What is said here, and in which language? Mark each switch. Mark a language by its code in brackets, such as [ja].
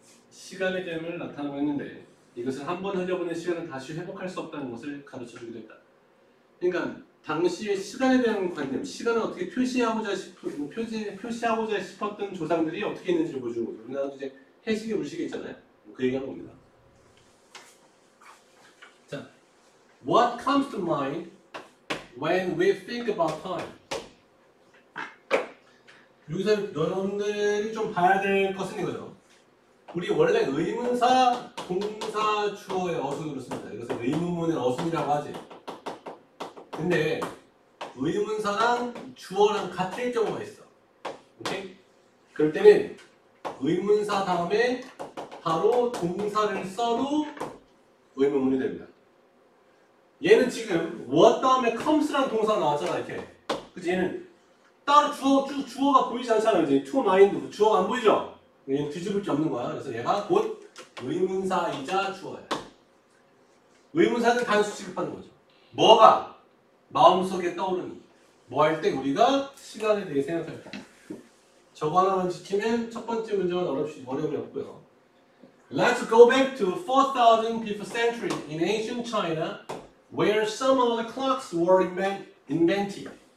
[ko] 시간의 개념을 나타내고 있는데 이것은 한번 흘려보낸 시간을 다시 회복할 수 없다는 것을 가르쳐주기도 했다. 그러니까 당시의 시간에 대한 관념, 시간을 어떻게 표시하고자 싶었던 조상들이 어떻게 했는지를 보여주는 거죠. 우리나라도 이제 해식의 물식이 있잖아요. 그 얘기하는 겁니다. 자, [en] What comes to mind when we think about time? [ko] 여기서 여러분들이 좀 봐야 될 것은 이거죠. 우리 원래 의문사 동사 주어의 어순으로 씁니다. 이것을 의문문의 어순이라고 하지. 근데 의문사랑 주어랑 같을 경우가 있어. 오케이? 그럴 때는 의문사 다음에 바로 동사를 써도 의문문이 됩니다. 얘는 지금 what 다음에 comes라는 동사가 나왔잖아, 이렇게. 그치? 얘는 따로 주어가 보이지 않잖아요. 이제 to mind 주어가 안 보이죠? 얘는 뒤집을 게 없는 거야. 그래서 얘가 곧 의문사이자 주어야. 의문사는 단수 취급하는 거죠. 뭐가? 마음속에 떠오르는 뭐 할 때 우리가 시간에 대해 생각할 때 저거 하나만 지키면 첫 번째 문제는 어려움이 없고요. [en] Let's go back to 4000 BC century in ancient China where some of the clocks were invented.